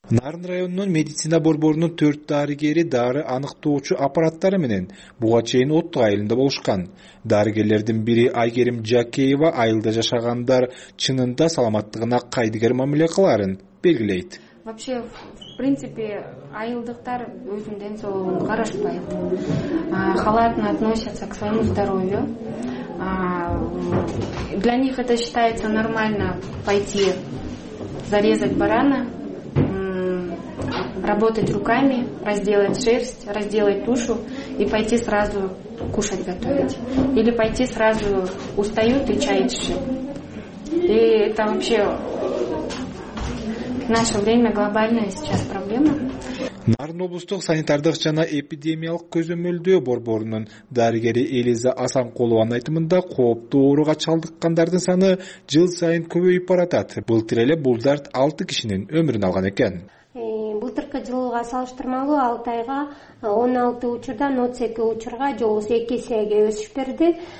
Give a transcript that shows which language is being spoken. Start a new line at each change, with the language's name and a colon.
Kyrgyz: Нарын районунун медицина борборунун 4 дарыгери дары аныктоочу аппараттары менен буга чейин Оттук айылында болушкан. Дарыгерлердин бири Айгерим Жакеева айылда жашагандар чынында саламаттыгына кайдыгер мамиле кыларын белгилейт.
Russian: Вообще, в принципе,
Kyrgyz: айылдыктар өзүнүн ден соолугун карашпайт.
Russian: Халатно относятся к своему здоровью. Для них это считается нормально пойти зарезать барана, работать руками, разделать шерсть, разделать тушу и пойти сразу кушать, готовить. Или пойти сразу устают и чай тише. И это вообще в наше время глобальная сейчас проблема.
Kyrgyz: Нарын облустук санитардык жана эпидемиялык көзөмөлдөө борборунун дарыгери Элиза Асанкулованын айтымында кооптуу ооруга чалдыккандардын саны жыл сайын көбөйүп баратат. Былтыр эле бул дарт 6 кишинин өмүрүн алган экен. Былтыркы жылга салыштырмалуу 6 айга 16 учурдан 32 учурга, же 2 эсеге өсүш берди.